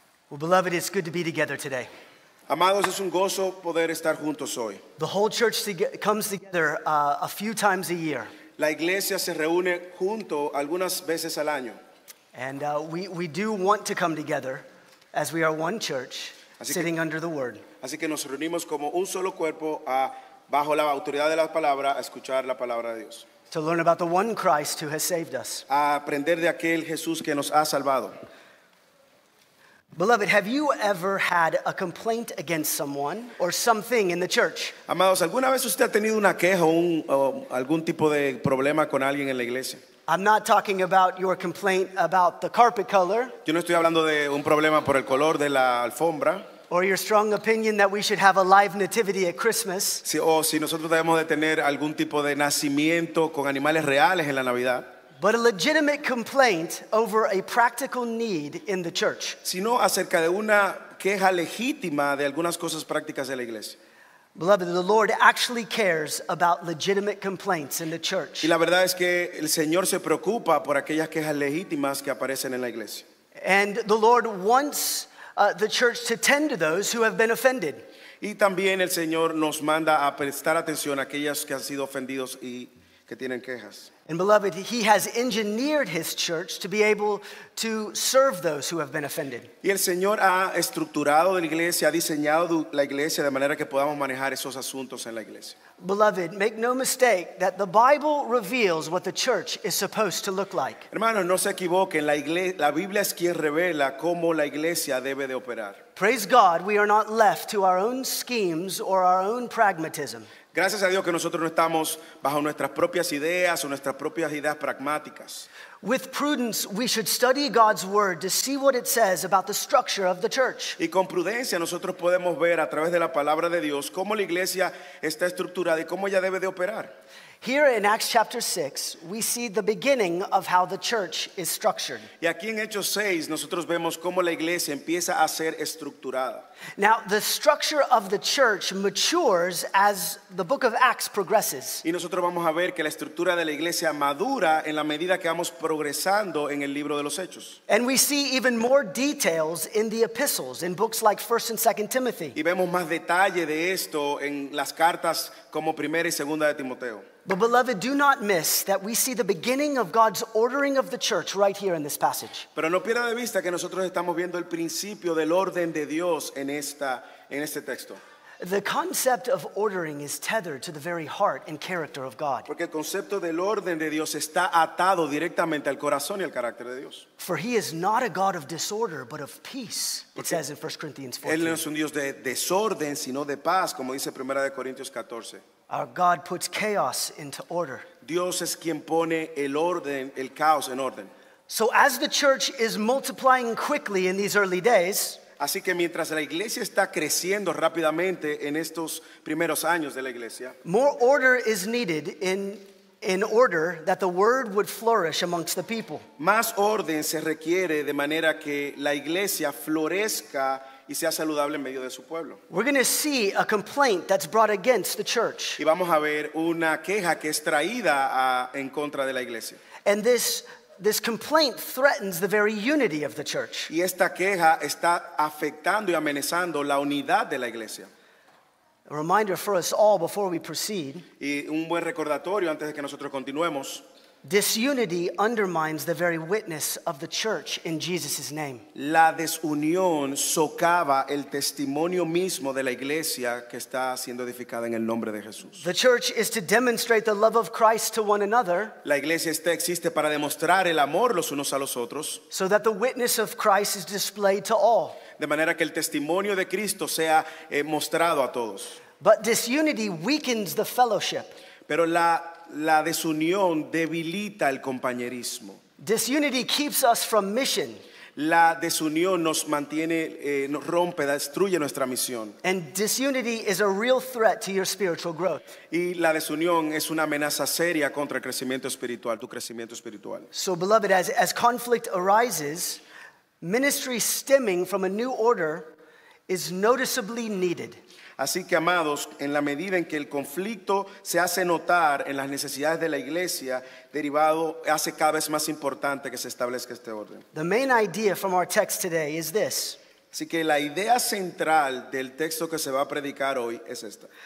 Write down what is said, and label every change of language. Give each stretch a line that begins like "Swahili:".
English: Well, beloved, it's good to be together today.
Spanish: Amados, es un gozo poder estar juntos hoy.
English: The whole church comes together a few times a year.
Spanish: La iglesia se reúne junto algunas veces al año.
English: And we do want to come together as we are one church,
Spanish: así
English: sitting
Spanish: que,
English: under the word.
Spanish: Así que nos reunimos como un solo cuerpo bajo la autoridad de la palabra a escuchar la palabra de Dios.
English: To learn about the one Christ who has saved us.
Spanish: A aprender de aquel Jesús que nos ha salvado.
English: Beloved, have you ever had a complaint against someone or something in the church?
Spanish: Amados, ¿alguna vez usted ha tenido una queja o algún tipo de problema con alguien en la iglesia?
English: I'm not talking about your complaint about the carpet color.
Spanish: Yo no estoy hablando de un problema por el color de la alfombra.
English: Or your strong opinion that we should have a live nativity at Christmas.
Spanish: Sí, o si nosotros debemos de tener algún tipo de nacimiento con animales reales en la Navidad.
English: But a legitimate complaint over a practical need in the church.
Spanish: Sino acerca de una queja legítima de algunas cosas prácticas de la iglesia.
English: Beloved, the Lord actually cares about legitimate complaints in the church.
Spanish: Y la verdad es que el Señor se preocupa por aquellas quejas legítimas que aparecen en la iglesia.
English: And the Lord wants the church to tend to those who have been offended.
Spanish: Y también el Señor nos manda a prestar atención a aquellas que han sido ofendidos y que tienen quejas.
English: And beloved, he has engineered his church to be able to serve those who have been offended.
Spanish: Y el Señor ha estructurado la iglesia, ha diseñado la iglesia de manera que podamos manejar esos asuntos en la iglesia.
English: Beloved, make no mistake that the Bible reveals what the church is supposed to look like.
Spanish: Hermanos, no se equivoquen, la Biblia es quien revela cómo la iglesia debe de operar.
English: Praise God, we are not left to our own schemes or our own pragmatism.
Spanish: Gracias a Dios que nosotros no estamos bajo nuestras propias ideas o nuestras propias ideas pragmáticas.
English: With prudence, we should study God's word to see what it says about the structure of the church.
Spanish: Y con prudencia nosotros podemos ver a través de la palabra de Dios cómo la iglesia está estructurada y cómo ella debe de operar.
English: Here in Acts chapter 6, we see the beginning of how the church is structured.
Spanish: Y aquí en Hechos 6, nosotros vemos cómo la iglesia empieza a ser estructurada.
English: Now, the structure of the church matures as the book of Acts progresses.
Spanish: Y nosotros vamos a ver que la estructura de la iglesia madura en la medida que vamos progresando en el libro de los Hechos.
English: And we see even more details in the epistles, in books like 1 and 2 Timothy.
Spanish: Y vemos más detalle de esto en las cartas como Primera y Segunda de Timoteo.
English: But beloved, do not miss that we see the beginning of God's ordering of the church right here in this passage.
Spanish: Pero no pierda de vista que nosotros estamos viendo el principio del orden de Dios en este texto.
English: The concept of ordering is tethered to the very heart and character of God.
Spanish: Porque el concepto del orden de Dios está atado directamente al corazón y al carácter de Dios.
English: For he is not a God of disorder, but of peace, it says in 1 Corinthians 14.
Spanish: Él no es un Dios de desorden, sino de paz, como dice 1 de Corintios 14.
English: Our God puts chaos into order.
Spanish: Dios es quien pone el orden, el caos en orden.
English: So as the church is multiplying quickly in these early days,
Spanish: así que mientras la iglesia está creciendo rápidamente en estos primeros años de la iglesia,
English: more order is needed in order that the word would flourish amongst the people.
Spanish: Más orden se requiere de manera que la iglesia florezca y sea saludable en medio de su pueblo.
English: We're going to see a complaint that's brought against the church.
Spanish: Y vamos a ver una queja que es traída en contra de la iglesia.
English: And this complaint threatens the very unity of the church.
Spanish: Y esta queja está afectando y amenazando la unidad de la iglesia.
English: A reminder for us all before we proceed.
Spanish: Y un buen recordatorio antes de que nosotros continuemos.
English: Disunity undermines the very witness of the church in Jesus' name.
Spanish: La desunión socava el testimonio mismo de la iglesia que está siendo edificada en el nombre de Jesús.
English: The church is to demonstrate the love of Christ to one another.
Spanish: La iglesia existe para demostrar el amor los unos a los otros.
English: So that the witness of Christ is displayed to all.
Spanish: De manera que el testimonio de Cristo sea mostrado a todos.
English: But disunity weakens the fellowship.
Spanish: Pero la desunión debilita el compañerismo.
English: Disunity keeps us from mission.
Spanish: La desunión nos mantiene, nos rompe, destruye nuestra misión.
English: And disunity is a real threat to your spiritual growth.
Spanish: Y la desunión es una amenaza seria contra el crecimiento espiritual, tu crecimiento espiritual.
English: So, beloved, as conflict arises, ministry stemming from a new order is noticeably needed.
Spanish: Así que, amados, en la medida en que el conflicto se hace notar en las necesidades de la iglesia, derivado hace cada vez más importante que se establezca este orden.
English: The main idea from our text today is this.
Spanish: Así que la idea central del texto que se va a predicar hoy es esta.